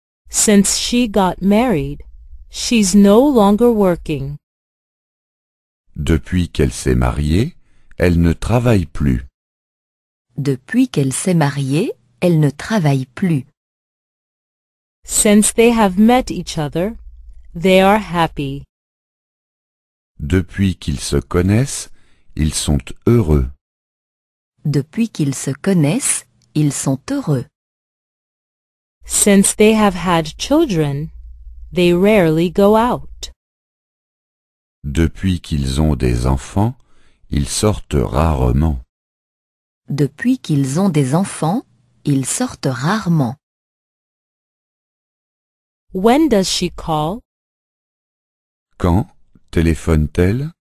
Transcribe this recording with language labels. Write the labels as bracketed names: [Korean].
[English] Since she got married, she's no longer working. [French] Depuis qu'elle s'est mariée, elle ne travaille plus. Depuis qu'elle s'est mariée, elle ne travaille plus. [English] Since they have met each other, they are happy. [French] Depuis qu'ils se connaissent, ils sont heureux. Depuis qu'ils se connaissent, ils sont heureux. [English] Since they have had children, they rarely go out. [French] Depuis qu'ils ont des enfants, ils sortent rarement. Depuis qu'ils ont des enfants, ils sortent rarement. [English] When does she call? [French] Quand téléphone-t-elle?